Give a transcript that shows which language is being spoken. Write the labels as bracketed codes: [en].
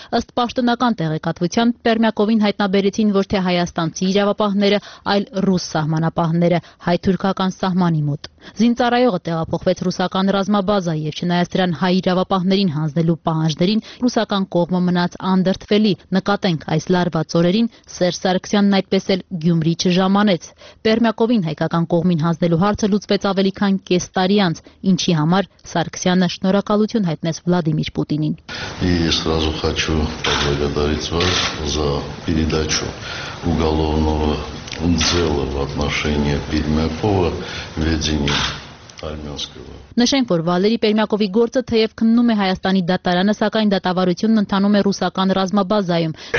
[hy] ըստ պաշտոնական տեղեկատվության Պերմյակովին հայտնաբերեցին ոչ թե հայաստանցի իրավապահները, այլ ռուս սահմանապահները հայ-թուրքական սահմանի մոտ։ Զինծառայողը տեղափոխվեց ռուսական ռազմաբազա եւ չնայած դրան հայ իրավապահներին հանձնելու պահանջներին ռուսական կողմը մնաց անդրդվելի, նկատենք այս լարված օրերին Սերժ Սարգսյանն այդպես էլ Գյումրի չժամանեց։ Պերմյակովին հայկական կողմին հանձնելու հարցը լուծվեց ավելի քան կես տարի անց, ինչի համար Սարգսյանը շնորհակալություն հայտնեց Վլադիմիր Պուտինին։ [ru] Ես сразу хочу поблагодарить вас за передачу уголовного дела в отношении Пермякова ведения армянского. [hy] Նշենք, որ Վալերի Պերմյակովի գործը թեև քննում է Հայաստանի դատարանը, սակայն դատավարությունն ընդնանում է ռուսական ռազմաբազայում։